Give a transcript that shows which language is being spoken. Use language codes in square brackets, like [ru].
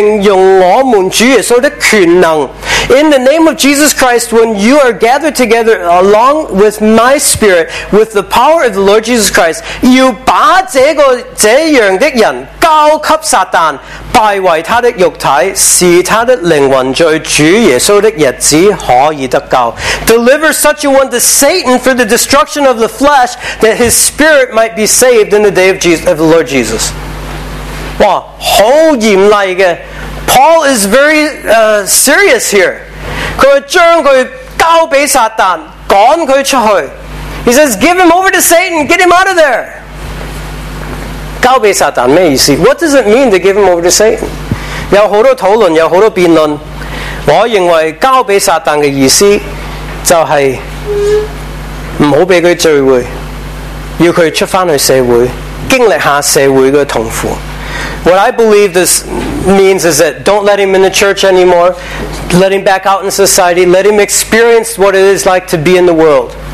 [zh] 就是你们聚会的时候，我心也同在，奉我们主耶稣的名，并用我们主耶稣的权能。 [en] In the name of Jesus Christ, when you are gathered together along with my spirit, with the power of the Lord Jesus Christ, you [zh] 把这个这样的人交给撒旦，败坏他的肉体，使他的灵魂在主耶稣的日子可以得救。 [en] Deliver such a one to Satan for the destruction of the flesh, that his spirit might be saved in the day of Jesus, of the Lord Jesus. [zh] 哇，好严厉的。 [en] Paul is very serious here. [zh] 他将他交给撒旦，赶他出去。 [en] He says, give him over to Satan, get him out of there. [zh] 交给撒旦什么意思? [en] What does it mean to give him over to Satan? [zh] 有很多讨论，有很多辩论。我认为交给撒旦的意思 就是不要给他聚会， 要他出回去社会， 经历一下社会的痛苦。 [en] What I believe this means is that don't let him in the church anymore, let him back out in society, let him experience what it is like to be in the world.